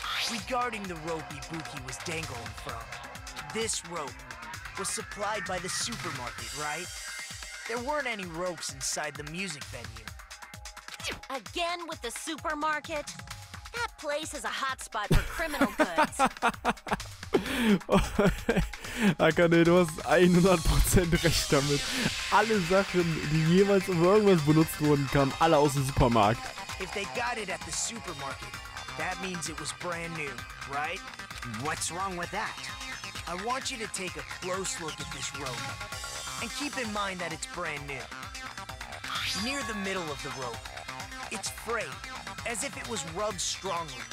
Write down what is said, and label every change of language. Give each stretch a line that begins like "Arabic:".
English: Regarding the rope Ibuki was dangling from, this rope was supplied by the supermarket, right? There weren't any ropes inside the music venue. Again with the supermarket? That place is a hotspot for criminal goods.
German: Akane, du hast 100% recht damit. Alle Sachen, die jemals um irgendwas benutzt wurden, kamen alle aus dem Supermarkt.
English: If they got it at the supermarket, that means it was brand new, right? What's wrong with that? I want you to take a close look at this rope. And keep in mind that it's brand new. Near the middle of the rope, it's frayed, as if it was rubbed strongly.